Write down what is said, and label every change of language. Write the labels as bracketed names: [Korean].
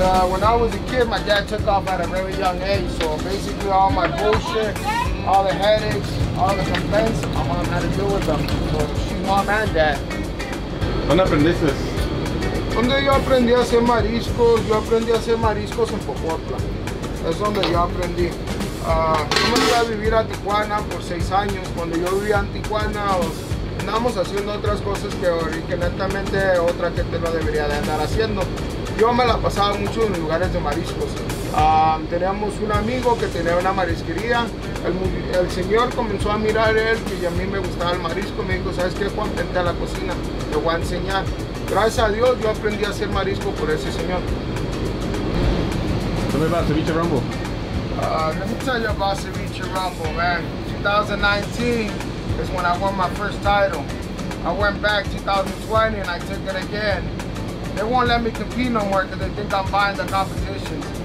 [English] When I was a kid, my dad took off at a very young age, so basically all my bullshit, all the headaches, all the complaints, my mom had to deal with them. So she's mom and dad. [Spanish] ¿Dónde aprendiste? Donde yo aprendí a hacer mariscos, yo aprendí a hacer mariscos en Popotla. Es donde yo aprendí. Yo me fui a vivir a Tijuana por 6 años. Cuando yo vivía en Tijuana, andamos haciendo otras cosas que netamente otra gente no debería de andar haciendo. Yo me la pasaba mucho en lugares de mariscos. Teníamos un amigo que tenía una marisquería. El señor comenzó a mirar él y a mí me gustaba el marisco. Me dijo, ¿sabes qué, Juan? Vente a la cocina, te voy a enseñar. Gracias a Dios, yo aprendí a hacer marisco por ese señor. ¿Cómo va el ceviche rumbo? [English] Let me tell you about ceviche rumbo, man. 2019 is when I won my first title. I went back 2020 and I took it again. They won't let me compete no more because they think I'm buying the competition.